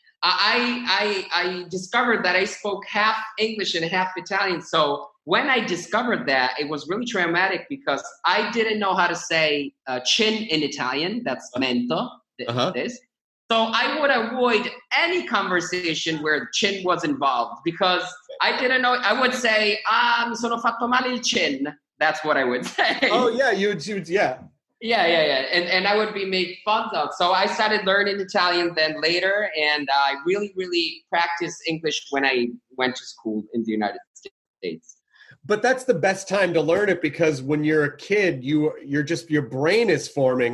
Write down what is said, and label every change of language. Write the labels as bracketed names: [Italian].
[English] I discovered that I spoke half English and half Italian. So when I discovered that, it was really traumatic because I didn't know how to say chin in Italian. That's mento. So I would avoid any conversation where chin was involved because I didn't know. [Italian] I would say, mi sono fatto male il chin. [English] That's what I would say. Oh, yeah. You. Yeah. And I would be made fun of. So I started learning Italian then later. And I really, really practiced English when I went to school in the United States. But that's the best time to learn it, because when you're a kid, you're just your brain is forming.